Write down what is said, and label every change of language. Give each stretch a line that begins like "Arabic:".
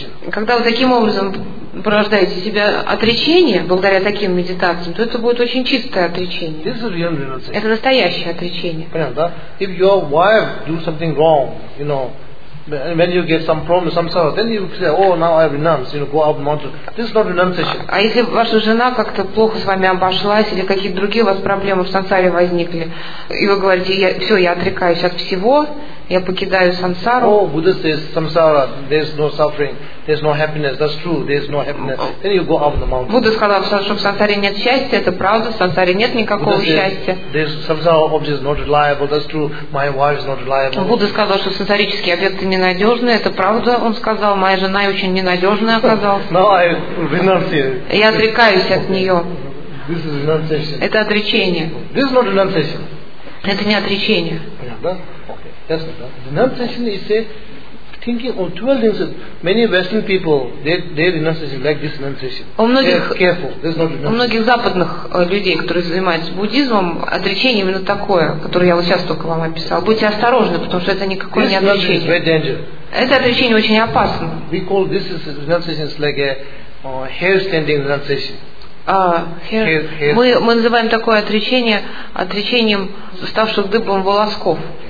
Russian: Когда вы таким образом порождаете себя отречение, благодаря таким медитациям, то это будет очень чистое отречение. Это настоящее отречение. Понятно, да?
English: If your wife do something wrong, and when you get some problem, some sorrow, then you say, oh, now I renounce, go up the mountain. This is not renunciation.
Russian: А если ваша жена как-то плохо с вами обошлась, или какие-то другие у вас проблемы в сансаре возникли, и вы говорите, я отрекаюсь от всего, я покидаю сансару.
English: Oh, Buddha says, samsara, there is no suffering, there is no happiness, that's true, there is no happiness. Then you go up the mountain.
Russian: Будда сказал, что в сансаре нет счастья, это правда, в сансаре нет никакого счастья.
English: This samsara object is not reliable, that's true, my wife is not reliable.
Russian: Будда сказал, что сансарические объекты ненадежные, это правда, он сказал, моя жена очень ненадежная оказалась.
English: Now I renounce it.
Russian: Я отрекаюсь от нее.
English: This is renunciation.
Russian: Это отречение.
English: This is not renunciation.
Russian: Это не отречение.
English: Yes, the renunciation is a thinking of 12 things. Many Western people, they renunciation like this renunciation.
Russian: У многих,
English: they are careful. This is not renunciation.
Russian: У многих западных людей, которые занимаются буддизмом, отречение именно такое, которое я вот сейчас только вам описал. Будьте осторожны, потому что это никакое
English: this
Russian: не отречение.
English: Is very dangerous.
Russian: Это отречение очень опасно.
English: We call this renunciation like a hair standing renunciation.
Russian: Мы называем такое отречение отречением ставших дыбом волосков.